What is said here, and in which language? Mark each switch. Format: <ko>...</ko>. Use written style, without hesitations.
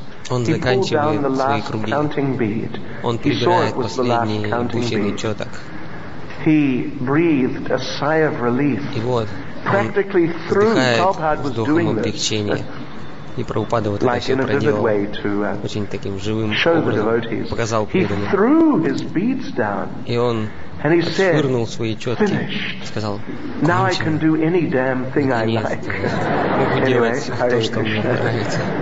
<ru>Он заканчивает свои круги, он перебирает последний бусины четок.</ru> <en>He breathed a sigh of relief.</en> <ru>И вот,</ru> <en>practically through, Prabhupada was doing this.</en> <ru>И Прабхупада вот это все проделал очень таким живым образом, показал преданным. И он отшвырнул свои четки, сказал, кончено, могу делать то, что мне нравится.</ru>